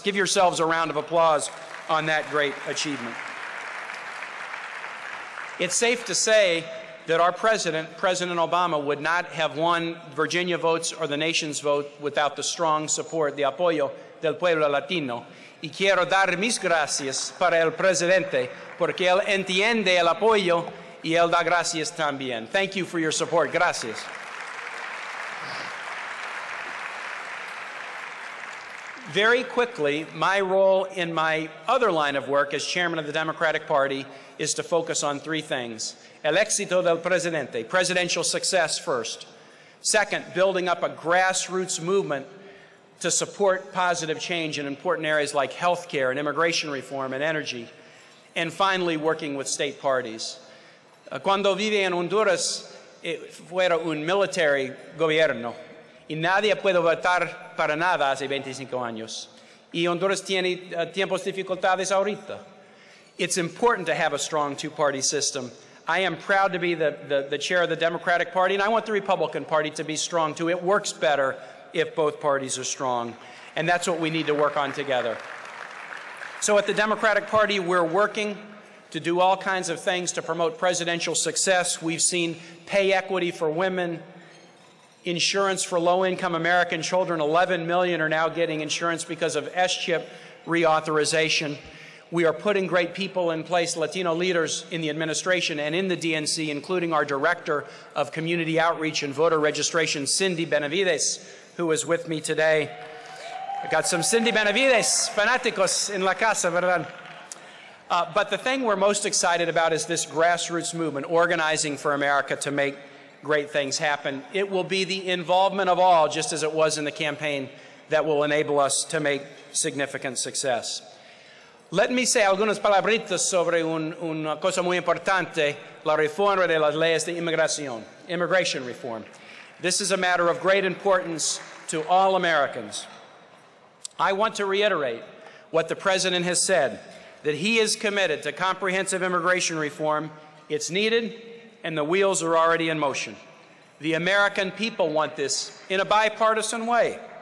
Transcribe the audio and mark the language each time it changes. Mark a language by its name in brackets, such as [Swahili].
[English] Give yourselves a round of applause on that great achievement. It's safe to say that our president, President Obama, would not have won Virginia votes or the nation's vote without the strong support, the [Spanish] apoyo del pueblo latino. Y quiero dar mis gracias para el presidente, porque él entiende el apoyo y él da gracias también. [English] Thank you for your support. Gracias. Very quickly, my role in my other line of work as chairman of the Democratic Party is to focus on three things. [Spanish] El éxito del presidente, [English] presidential success first. Second, building up a grassroots movement to support positive change in important areas like health care and immigration reform and energy. And finally, working with state parties. [Spanish] Cuando vive en Honduras, fuera un military gobierno. Y nadie puede votar para nada hace 25 años. Y Honduras tiene tiempos dificultades ahorita. [English] It's important to have a strong two-party system. I am proud to be the chair of the Democratic Party, and I want the Republican Party to be strong, too. It works better if both parties are strong, and that's what we need to work on together. So at the Democratic Party, we're working to do all kinds of things to promote presidential success. We've seen pay equity for women, insurance for low-income American children. 11 million are now getting insurance because of SCHIP reauthorization. We are putting great people in place, Latino leaders in the administration and in the DNC, including our Director of Community Outreach and Voter Registration, Cindy Benavides, who is with me today. I got some Cindy Benavides fanáticos in [Spanish] la casa, ¿verdad? [English] But the thing we're most excited about is this grassroots movement, organizing for America to make great things happen. It will be the involvement of all, just as it was in the campaign, that will enable us to make significant success. Let me say [Spanish] algunas palabritas sobre una cosa muy importante, la reforma de las leyes de inmigración, [English] immigration reform. This is a matter of great importance to all Americans. I want to reiterate what the President has said, that he is committed to comprehensive immigration reform. It's needed, and the wheels are already in motion. The American people want this in a bipartisan way.